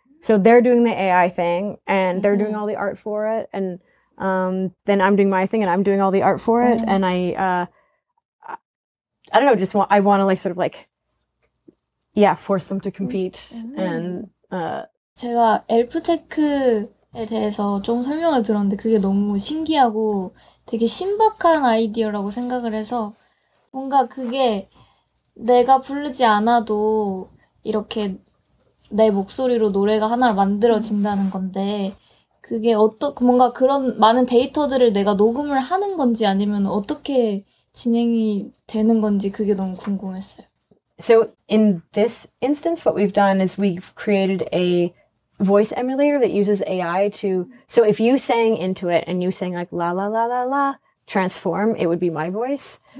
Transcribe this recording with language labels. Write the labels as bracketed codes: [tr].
[en] So they're doing the AI thing, and they're doing all the art for it, and then I'm doing my thing, and I'm doing all the art for it. And I don't know, just want, I want to like sort of like, yeah, force them to compete. Mm-hmm. And [ko] 제가 엘프테크에 대해서 좀 설명을 들었는데 그게 너무 신기하고 되게 신박한 아이디어라고 생각을 해서 뭔가 그게 내가 부르지 않아도 이렇게 내 목소리로 노래가 하나를 만들어진다는 건데 그게 뭔가 그런 많은 데이터들을 내가 녹음을 하는 건지 아니면 어떻게 진행이 되는 건지 그게 너무 궁금했어요. [en] So in this instance, what we've done is we've created a voice emulator that uses AI to... So if you sang into it and you sang like la la la la la, transform, it would be my voice.